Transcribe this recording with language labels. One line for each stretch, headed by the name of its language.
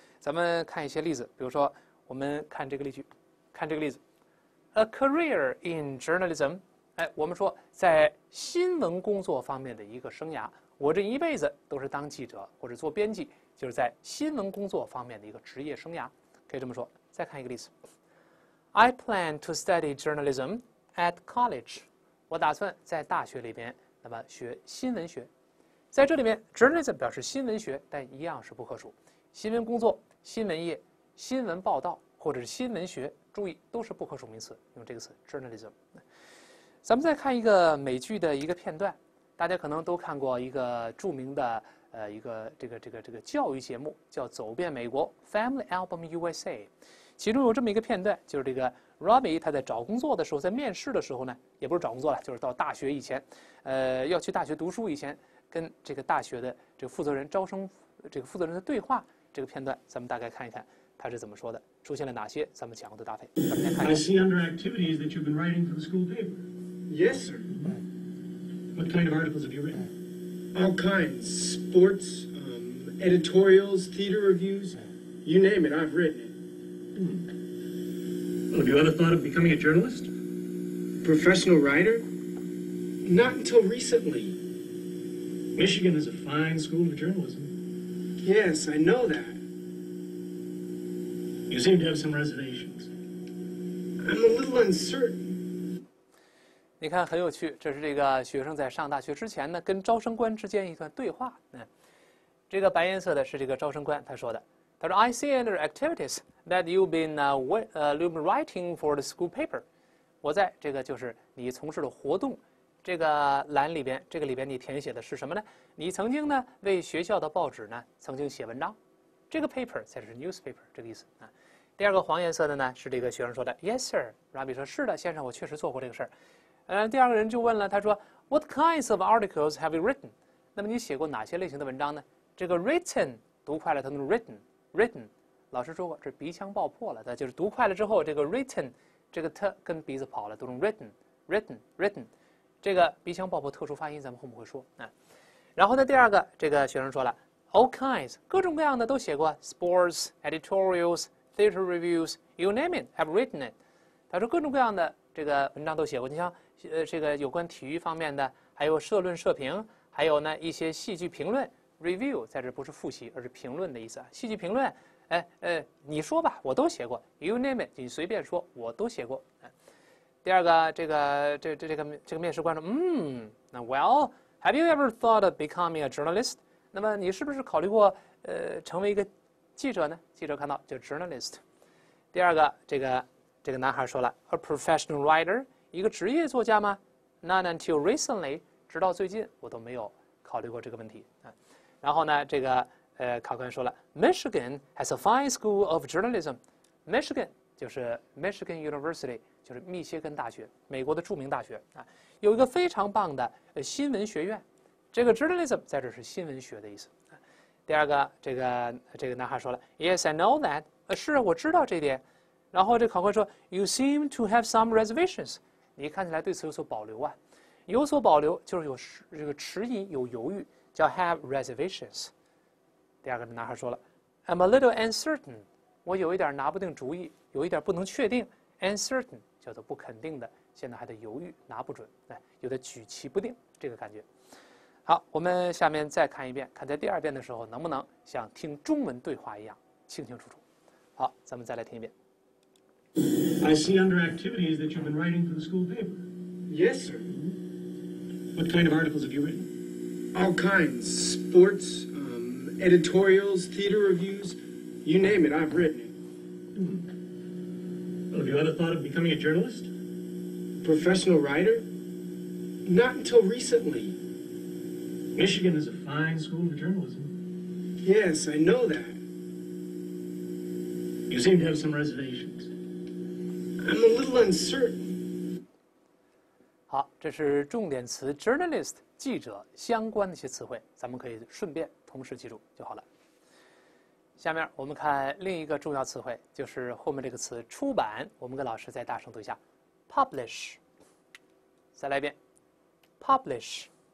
Chinese: 咱们看一些例子，比如说我们看这个例句，看这个例子，
English: a career in journalism。
Chinese: 哎，我们说在新闻工作方面的一个生涯，我这一辈子都是当记者或者做编辑，就是在新闻工作方面的一个职业生涯，可以这么说。再看一个例子，
English: I plan to study journalism at college。
Chinese: 我打算在大学里边，那么学新闻学。在这里面，journalism 表示新闻学，但一样是不可数。新闻工作、新闻业、新闻报道或者是新闻学，注意都是不可数名词，用这个词 journalism。咱们再看一个美剧的一个片段，大家可能都看过一个著名的一个这个教育节目，叫《走遍美国》（Family Album USA），其中有这么一个片段，就是这个 Robbie 他在找工作的时候，在面试的时候呢，也不是找工作了，就是到大学以前，要去大学读书以前，跟这个大学的这个负责人招生这个负责人的对话，这个片段，咱们大概看一看他是怎么说的，出现了哪些咱们讲过的搭配，咱们先看一
English: I
Chinese: 下。
English: see under activities that you've been writing for the school paper. Yes, sir. What kind of articles have you written? All kinds. Sports, editorials, theater reviews. You name it, I've written it. Well, have you ever thought of becoming a journalist? Professional writer? Not until recently. Michigan is a fine school for journalism. Yes, I know that. You seem to have some reservations. I'm a little uncertain.
Chinese: 你看很有趣，这是这个学生在上大学之前呢，跟招生官之间一段对话。这个白颜色的是这个招生官他说的，他说
English: ，I see under activities that you've been writing for the school paper。
Chinese: 我在这个就是你从事的活动，这个栏里边，这个里边你填写的是什么呢？你曾经呢为学校的报纸呢曾经写文章，这个 paper 才是 newspaper 这个意思啊。第二个黄颜色的呢是这个学生说的 ，
English: Yes sir。
Chinese: Rabbi 说是的，先生，我确实做过这个事儿。第二个人就问了，他说 ，
English: What kinds of articles have you written？
Chinese: 那么你写过哪些类型的文章呢？这个 written 读快了，它能 written。 Written， 老师说过，这鼻腔爆破了，它就是读快了之后，这个 written， 这个 t 跟鼻子跑了，读成 written， 这个鼻腔爆破特殊发音，咱们后面会说啊。然后呢，第二个这个学生说了 ，
English: all kinds，
Chinese: 各种各样的都写过 ，
English: sports editorials， theater reviews， you name it， have written it。
Chinese: 他说各种各样的这个文章都写过，你像这个有关体育方面的，还有社论、社评，还有呢一些戏剧评论。 Review 在这不是复习，而是评论的意思啊。戏剧评论，你说吧，我都写过。
English: You name it，
Chinese: 你随便说，我都写过。第二个，这个面试官说，那
English: Well， have you ever thought of becoming a journalist？
Chinese: 那么你是不是考虑过成为一个记者呢？记者看到就 journalist。第二个，这个男孩说了 ，
English: a professional writer，
Chinese: 一个职业作家吗 ？
English: Not until recently，
Chinese: 直到最近我都没有考虑过这个问题啊。然后呢，这个考官说了
English: ，Michigan has a fine school of journalism。
Chinese: Michigan 就是 Michigan University， 就是密歇根大学，美国的著名大学啊，有一个非常棒的新闻学院。这个 journalism 在这是新闻学的意思。第二个，这个男孩说了 ，
English: Yes， I know that。
Chinese: 是，我知道这点。然后这考官说
English: ，You seem to have some reservations。
Chinese: 你看起来对此有所保留啊，有所保留就是有这个迟疑，有犹豫。叫
English: have reservations。
Chinese: 第二个男孩说了
English: I'm a little uncertain，
Chinese: 我有一点拿不定主意，有一点不能确定。 uncertain 叫做不肯定的，现在还得犹豫，拿不准，有点举棋不定这个感觉。好，我们下面再看一遍，看在第二遍的时候能不能像听中文对话一样清清楚楚。好，咱们再来听一遍。
English: I see under activities that you've been writing for the school paper。 Yes sir。 What kind of articles have you written？ All kinds. Sports, editorials, theater reviews, you name it, I've written it. Well, have you ever thought of becoming a journalist? Professional writer? Not until recently. Michigan is a fine school for journalism. Yes, I know that. You seem to have some reservations. I'm a little uncertain.
Chinese: 好，这是重点词 journalist。记者相关的一些词汇，咱们可以顺便同时记住就好了。下面我们看另一个重要词汇，就是后面这个词出版。我们跟老师再大声读一下 ，publish。再来一遍 ，publish。